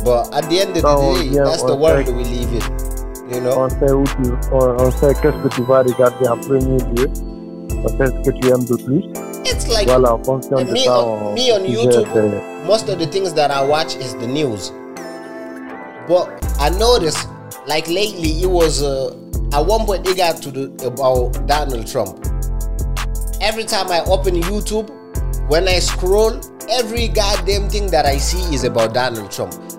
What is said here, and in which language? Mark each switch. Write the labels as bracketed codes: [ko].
[en] But at the end of the day, that's the world we live in. You know? [fr] On sait où tu on sait qu'est-ce que tu vas regarder en premier lieu. On sait ce que tu aimes de plus. [en] It's like [fr] voilà, en fonction de ça, [en] me on YouTube, most of the things that I watch is the news. But I noticed, like lately, it was at one point they got to do about Donald Trump. Every time I open YouTube, when I scroll, every goddamn thing that I see is about Donald Trump.